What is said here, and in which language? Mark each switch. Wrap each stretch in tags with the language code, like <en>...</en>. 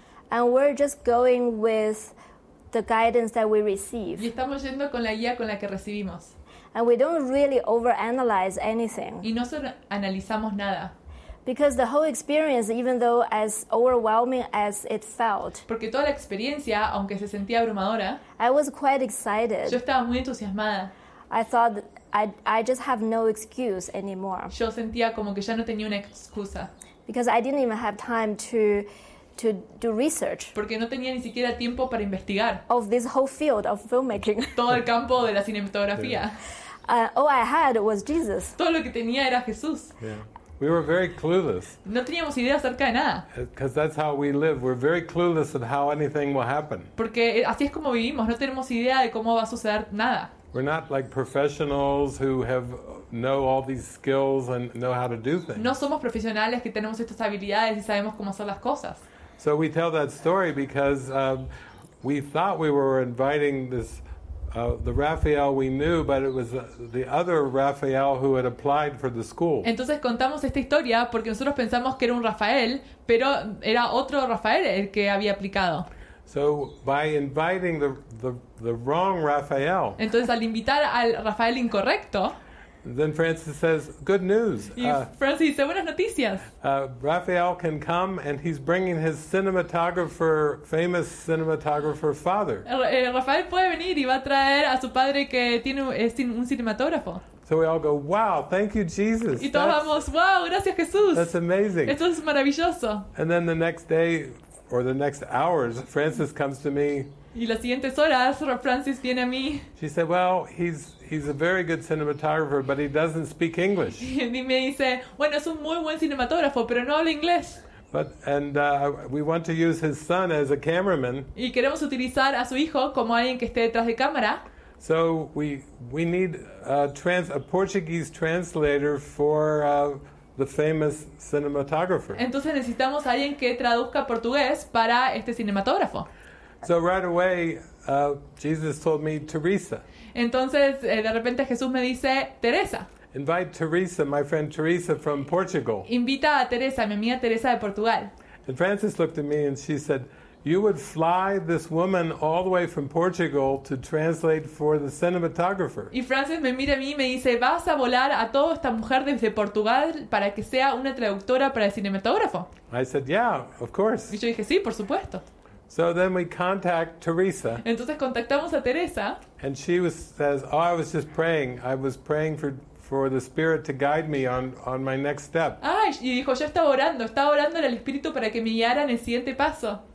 <en>And we're just going with the guidance that we receive.</en> <es>Y estamos yendo con la guía con la que recibimos.</es> <en>And we don't really overanalyze anything.</en> <es>Y no sobreanalizamos nada.</es> <en>Because the whole experience, even though as overwhelming as it felt.</en> <es>Porque toda la experiencia, aunque se sentía abrumadora.</es> <en>I was quite excited.</en> <es>Yo estaba muy entusiasmada.</es> <en>I thought I just have no excuse anymore.</en> <es>Yo sentía como que ya no tenía una excusa.</es> <en>Because I didn't even have time to do research.</en> <es>Porque no tenía ni siquiera tiempo para investigar.</es> <en>Of this whole field of filmmaking.</en> <es>Todo el campo de la cinematografía.</es> <en>Yeah. All I had was Jesus.</en> <es>Todo lo que tenía era Jesús.</es> <en>Yeah. We were very clueless.</en> <es>No teníamos idea acerca de nada.</es> <en>Because that's how we live. We're very clueless of how anything will happen.</en> <es>Porque así es como vivimos. No tenemos idea de cómo va a suceder nada.</es> <en>We're not like professionals who know all these skills and know how to do things.</en> <es>No somos profesionales que tenemos estas habilidades y sabemos cómo hacer las cosas.</es> <en>So we tell that story because we thought we were inviting this the Rafael we knew, but it was the other Rafael who had applied for the school.</en> <es>Entonces contamos esta historia porque nosotros pensamos que era un Rafael, pero era otro Rafael el que había aplicado.</es> <en>So by inviting the wrong Rafael.</en> <es>Entonces al invitar al Rafael incorrecto.</es> <en>Then Francis says, good news.</en> <es>Francis dice, buenas noticias.</es> <en>Rafael can come and he's bringing his cinematographer, famous cinematographer father.</en> <es>Rafael puede venir y va a traer a su padre que tiene un cinematógrafo.</es> <en>So we all go, wow, thank you, Jesus.</en> <es>Y todos vamos, wow, gracias, Jesús.</es> <en>That's amazing.</en> <es>Esto es maravilloso.</es> <en>And then the next day, or the next hours, Francis comes to me.</en> <es>Y las siguientes horas, Francis viene a mí.</es> <en>She said, well, he's a very good cinematographer, but he doesn't speak English.</en> <es>Y me dice, bueno, es un muy buen cinematógrafo, pero no habla inglés.</es> <en>We want to use his son as a cameraman.</en> <es>Y queremos utilizar a su hijo como alguien que esté detrás de cámara.</es> <en>So we need a Portuguese translator for the famous cinematographer.</en> <es>Entonces necesitamos a alguien que traduzca portugués para este cinematógrafo.</es> <en>So right away, Jesus told me Teresa.</en> <es>Entonces de repente Jesús me dice Teresa.</es> <en>Invite Teresa, my friend Teresa from Portugal.</en> <es>Invita a Teresa, mi amiga Teresa de Portugal.</es> <en>And Francis looked at me and she said, you would fly this woman all the way from Portugal to translate for the cinematographer.</en> <es>Y Francis me mira a mí y me dice, vas a volar a toda esta mujer desde Portugal para que sea una traductora para el cinematógrafo.</es> <en>I said, yeah, of course.</en> <es>Y yo dije, sí, por supuesto.</es> <en>So then we contact Teresa.</en> <es>Entonces contactamos a Teresa.</es> <en>And she says, oh, I was just praying. I was praying for the Spirit to guide me on my next step.</en> <es>Ah, y dijo, yo estaba orando al Espíritu para que me guiara en el siguiente paso.</es>